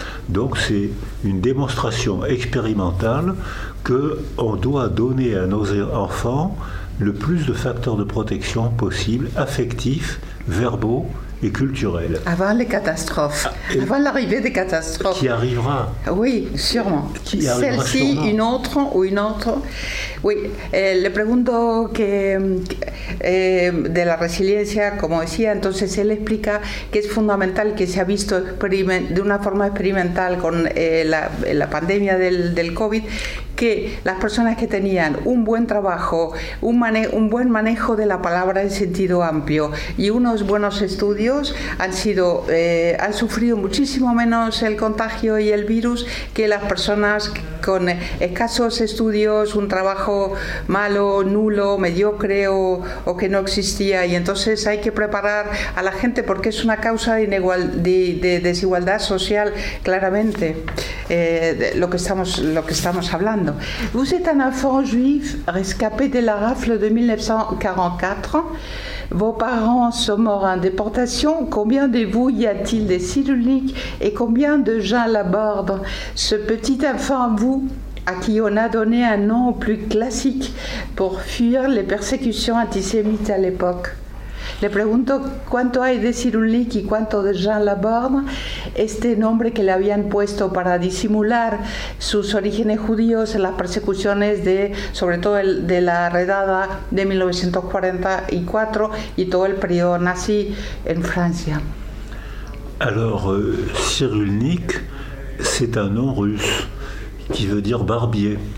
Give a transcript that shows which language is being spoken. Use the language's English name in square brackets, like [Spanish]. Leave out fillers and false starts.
[French] Donc c'est une démonstration expérimentale qu'on doit donner à nos enfants le plus de facteurs de protection possible, affectifs, verbaux, et culturelle. Avant les catastrophes, avant l'arrivée des catastrophes. Qui arrivera. Oui, sûrement. Qui arrivera celle-ci, sûrement. Une autre ou une autre. [Spanish] Oui, le pregunto que de la resiliencia, como decía, entonces él explica que es fundamental, que se ha visto de una forma experimental con la pandemia del COVID, que las personas que tenían un buen trabajo, un buen manejo de la palabra en sentido amplio y unos buenos estudios han sufrido muchísimo menos el contagio y el virus que las personas con escasos estudios, un trabajo malo, nulo, mediocre o que no existía. Y entonces hay que preparar a la gente porque es una causa de desigualdad social, claramente, lo que estamos hablando. [French] Vous êtes un enfant juif rescapé de la rafle de 1944. Vos parents sont morts en déportation. Combien de vous y a-t-il des Cyrulnik et combien de gens l'abordent? Ce petit enfant, vous, à qui on a donné un nom plus classique pour fuir les persécutions antisémites à l'époque. [Spanish] Le pregunto cuánto hay de Cyrulnik y cuánto de Jean Laborde, este nombre que le habían puesto para disimular sus orígenes judíos en las persecuciones de, sobre todo el, de la redada de 1944 y todo el periodo nazi en Francia. [French] Alors, Cyrulnik, c'est un nom russe qui veut dire barbier.